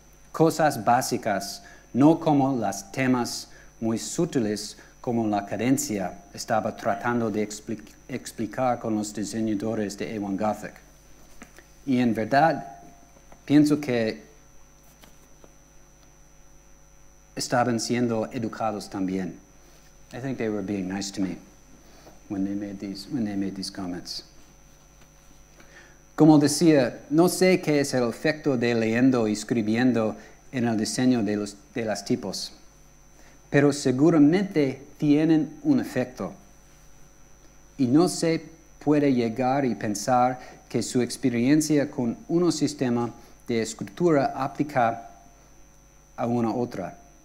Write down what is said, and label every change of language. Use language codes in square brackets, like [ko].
[es] Cosas básicas, no como los temas muy sutiles como la cadencia, estaba tratando de explicar con los diseñadores de A1 Gothic. Y en verdad, pienso que estaban siendo educados también. [en] I think they were being nice to me when they made these comments. [es] Como decía, no sé qué es el efecto de leyendo y escribiendo en el diseño de las tipos, pero seguramente tienen un efecto. Y no se puede llegar y pensar que su experiencia con un sistema de escritura aplica a una otra.